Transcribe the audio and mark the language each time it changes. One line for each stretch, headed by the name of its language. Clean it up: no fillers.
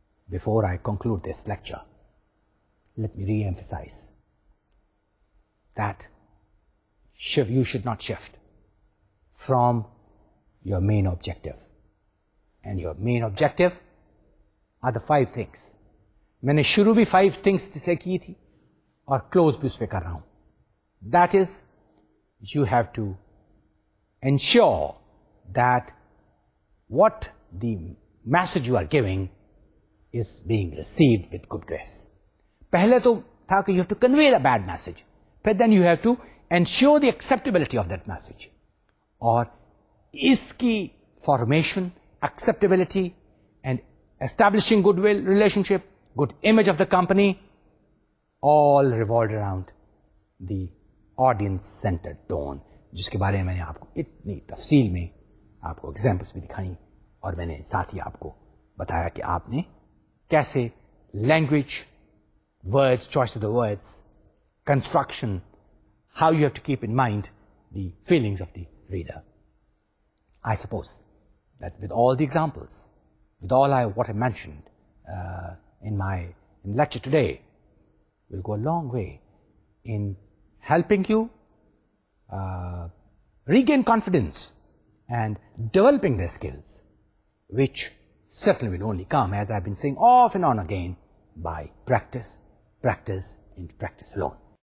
English: Before I conclude this lecture, let me re-emphasize that you should not shift from your main objective. And your main objective are the five things.
Urdu: میں نے شروع بھی five things سے کی تھی اور close بھی اس پہ کر رہا ہوں.
English: That is, you have to ensure that what the message you are giving is being received with good grace.
Urdu: پہلے تو تھا کہ
English: you have to convey the bad message. But then you have to ensure the acceptability of that message.
Urdu: اور اس کی
English: formation, acceptability, and establishing goodwill relationship, good image of the company, all revolved around the audience-centered tone.
Urdu: جس کے بارے میں نے آپ کو اتنی تفصیل میں آپ کو examples بھی دکھائیں اور میں نے ساتھ ہی آپ کو بتایا کہ آپ نے کیسے
English: language, words, choice of the words, construction, how you have to keep in mind the feelings of the reader. I suppose that with all the examples, with all what I mentioned in lecture today, will go a long way in helping you regain confidence and developing their skills, which certainly will only come, as I've been saying off and on again, by practice, practice, and practice alone.